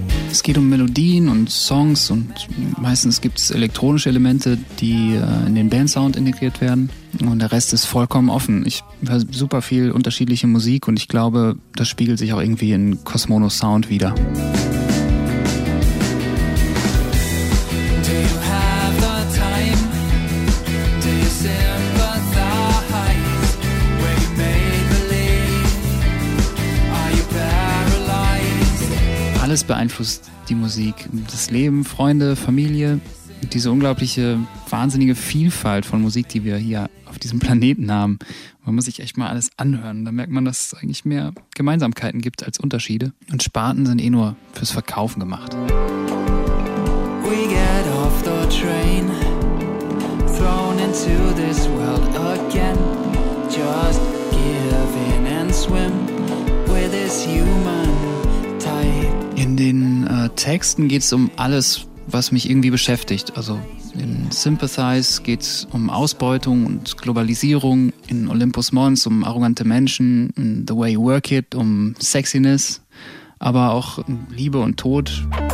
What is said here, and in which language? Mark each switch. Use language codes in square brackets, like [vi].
[de] Es geht um Melodien und Songs und meistens gibt es elektronische Elemente, die in den Bandsound integriert werden und der Rest ist vollkommen offen. Ich höre super viel unterschiedliche Musik und ich glaube, das spiegelt sich auch irgendwie in Cosmono Sound wieder. [en] Do you have the time? Do you sympathize? We may believe. [de] alles beeinflusst die Musik. Das Leben, Freunde, Familie, diese unglaubliche, wahnsinnige Vielfalt von Musik, die wir hier auf diesem Planeten haben. Man muss sich echt mal alles anhören. Da merkt man, dass es eigentlich mehr Gemeinsamkeiten gibt als Unterschiede. Und Sparten sind eh nur fürs Verkaufen gemacht. [en] We get off the train, thrown into this world again. Just give in and swim with this human type. [de] In den Texten geht es um alles, was mich irgendwie beschäftigt. Also in Sympathize geht es um Ausbeutung und Globalisierung. In Olympus Mons um arrogante Menschen. In The Way You Work It um Sexiness. Aber auch um Liebe und Tod.